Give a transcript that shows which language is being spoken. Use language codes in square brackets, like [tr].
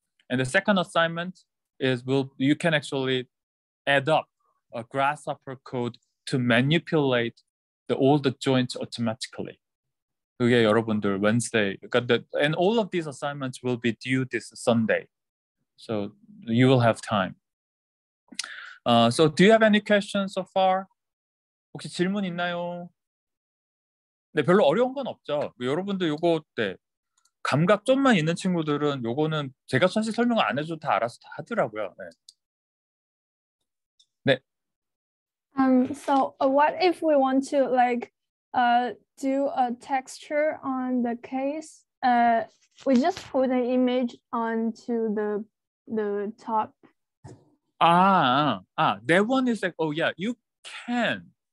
[en] And the second assignment is you can actually add up a grasshopper code to manipulate all the joints automatically. [ko] 그게 여러분들 [en] Wednesday. And all of these assignments will be due this Sunday. So you will have time. So do you have any questions so far? [ko] 혹시 질문 있나요? 네, 별로 어려운 건 없죠. 여러분들 요거 때 네, 감각 좀만 있는 친구들은 요거는 제가 사실 설명을 안 해줘도 다 알아서 다 하더라고요. 네. 네. [en] So what if we want to like do a texture on the case? We just put an image onto the top. That one is like, oh yeah, you can.